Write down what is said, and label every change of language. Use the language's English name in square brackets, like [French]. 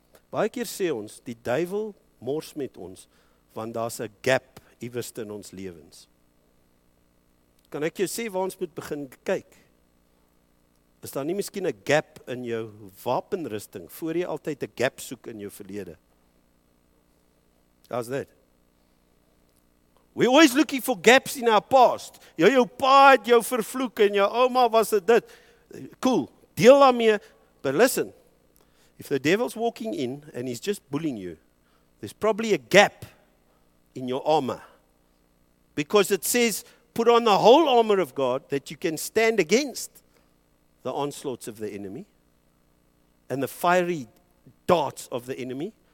[Afrikaans] Baie keer sê ons, die duivel mors met ons, want daar's 'n gap iewers in ons lewens. Kan ek jou sê waar ons moet begin kyk? Is daar nie miskien 'n gap in jou wapenrusting, voor jy altyd 'n gap soek in jou verlede? [English] How's that? We're always looking for gaps in our past. [Afrikaans] Jou pa het jou vervloek en jou ouma was het dit. Cool, deel daarmee. [English] But listen, if the devil's walking in and he's just bullying you, there's probably a gap in your armor. Because it says, put on the whole armor of God that you can stand against the onslaughts of the enemy and the fiery darts of the enemy.